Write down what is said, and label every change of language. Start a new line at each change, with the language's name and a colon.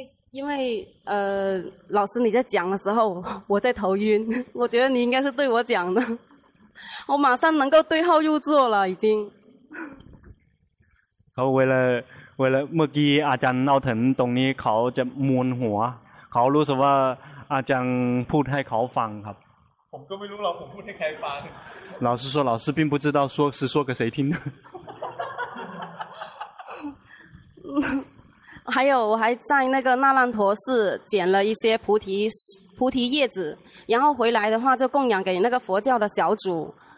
Chinese: 因为老师你在讲的时候我在头晕，我觉得你应该是对我讲的，我马上能够对号入座了已经。
Thai: เขาเวลาเมื่อกี้อาจารย์เอาถึงตรงนี้เขาจะมวนหัวเขารู้สึกว่าอาจารย์พูดให้เขาฟังครับ ผมก็ไม่รู้หรอกผมพูดให้ใครฟัง
Chinese: 老师说老师并不知道说是说给谁听的还有我还在那个那烂陀寺捡了一些菩提叶子，然后回来的话就供养给那个佛教的小组。